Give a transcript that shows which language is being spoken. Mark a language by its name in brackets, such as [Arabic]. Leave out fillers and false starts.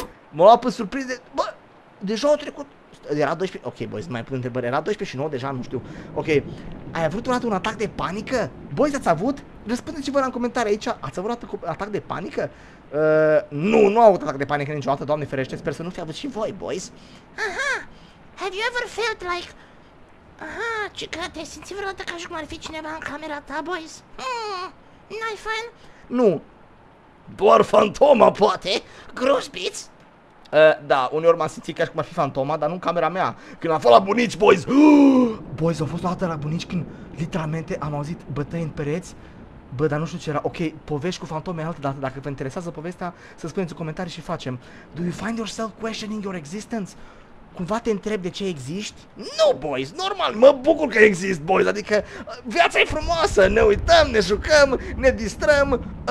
[Romanian] m-a luat pe surprize. Bă, deja au trecut. Era 12, ok, boys, nu mai pun întrebări. Era 12 și 9, deja nu știu. Ok, ai avut vreodată un atac de panică? Boys, ați avut? Răspundeți-vă la comentarii aici. Ați avut vreodată un atac de panică? Nu am avut atac de panică niciodată, Doamne ferește. Sper să nu fi avut și voi, boys. [English] Aha, have you ever felt like... [Romanian] Aha, ce că te-ai simțit vreodată ca și cum ar fi cineva în camera ta, boys? N-ai fan? Nu. Doar fantoma, poate? Grusbeats? Da, uneori m-am simțit ca și cum ar fi fantoma, dar nu în camera mea. Când am fost la bunici, boys! Boys, au fost o dată la bunici când literalmente am auzit bătăi în pereți. Bă, dar nu știu ce era. Ok, povești cu fantome altă dată. Dacă vă interesează povestea, să spuneți în comentarii și facem. [English] Do you find yourself questioning your existence? [Romanian] Cumva te întreb de ce existi? Nu, boys, normal, mă bucur că exist, boys. Adică, viața e frumoasă. Ne uităm, ne jucăm, ne distrăm.